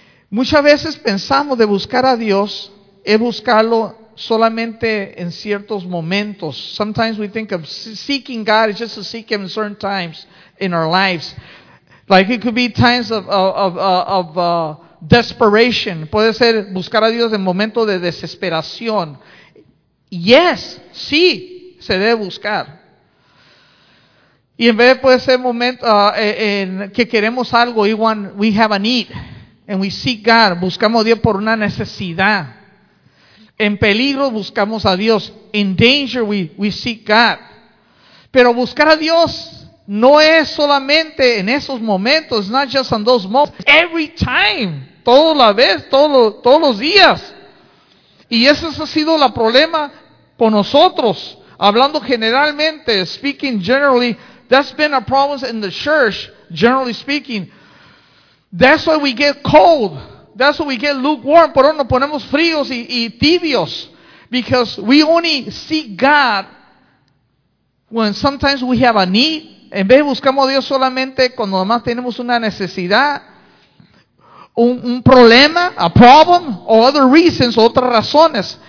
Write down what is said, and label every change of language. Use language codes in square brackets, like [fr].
[es] Muchas veces pensamos de buscar a Dios es buscarlo solamente en ciertos momentos. [en] Sometimes we think of seeking God is just to seek Him in certain times in our lives. Like it could be times of desperation. [es] Puede ser buscar a Dios en momentos de desesperación. Yes, sí, se debe buscar. Y en vez puede ser momento en que queremos algo, [en] we have a need, and we seek God, [es] buscamos a Dios por una necesidad. En peligro buscamos a Dios. [en] In danger we seek God. [es] Pero buscar a Dios no es solamente en esos momentos, [en] it's not just in those moments. Every time, [es] toda la vez, todos los días. Y ese ha sido el problema con nosotros. Hablando generalmente, [en] speaking generally, that's been a problem in the church, generally speaking. That's why we get cold. That's why we get lukewarm. [es] Por eso nos ponemos fríos y tibios. [en] Because we only seek God when sometimes we have a need. [es] En vez de buscamos a Dios solamente cuando además tenemos una necesidad, un problema, [en] a problem, [es] o [en] other reasons, [es] otras razones.